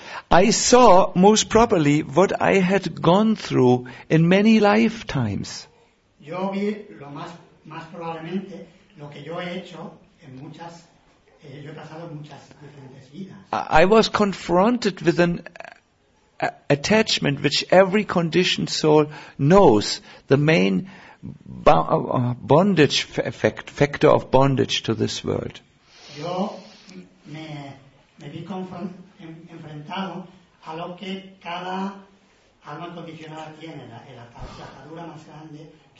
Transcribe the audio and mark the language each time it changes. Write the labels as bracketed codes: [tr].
[en] I saw most properly what I had gone through in many lifetimes. [es] Yo vi lo más probablemente lo que yo he hecho en muchas yo he pasado muchas diferentes vidas. [en] I was confronted with an attachment which every conditioned soul knows, the main bondage factor of bondage to this world. [es] Yo me vi enfrentado a lo que cada alma condicionada tiene, la atadura más grande.